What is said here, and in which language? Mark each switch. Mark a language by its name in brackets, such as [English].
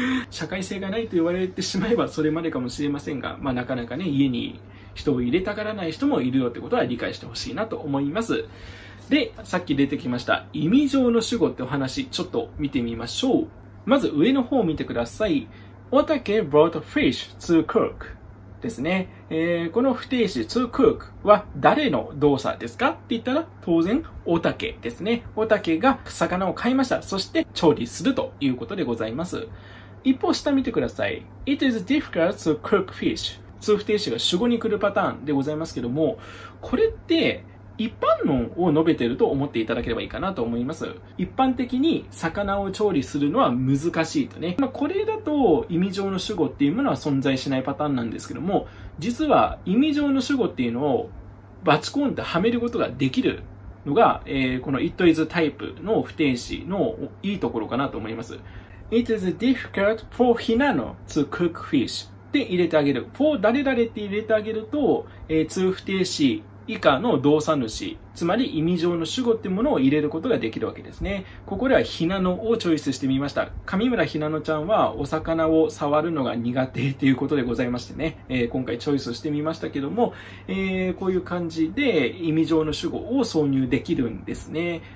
[Japanese] 社会性がないと言われてしまえばそれまでかもしれませんが、まあなかなかね、家に人を入れたがらない人もいるよってことは理解してほしいなと思います。で、さっき出てきました意味上の主語ってお話、ちょっと見てみましょう。まず上の方を見てください。 [English] Otake brought fish to cook ですね。 [Japanese] この不定詞 [English] to cook [Japanese] は誰の動作ですかって言ったら当然 Otake ですね。 Otake が魚を買いました。そして調理するということでございます。一方下見てください。 [English] It is difficult to cook fish。 [Japanese] to不定詞が主語に来るパターンでございますけども、これって一般論を述べていると思っていただければいいかなと思います。一般的に魚を調理するのは難しいとね。まあこれだと意味上の主語っていうものは存在しないパターンなんですけども、実は意味上の主語っていうのをバチコンってはめることができるのが、この it is タイプの不定詞のいいところかなと思います。 [English] It is difficult for Hinano to cook fish って入れてあげる。 [Japanese] for 誰々って入れてあげると、to 不定詞以下の動作主、つまり意味上の主語ってものを入れることができるわけですね。ここではひなのをチョイスしてみました。上村ひなのちゃんはお魚を触るのが苦手ということでございましてね、今回チョイスしてみましたけども、こういう感じで意味上の主語を挿入できるんですね。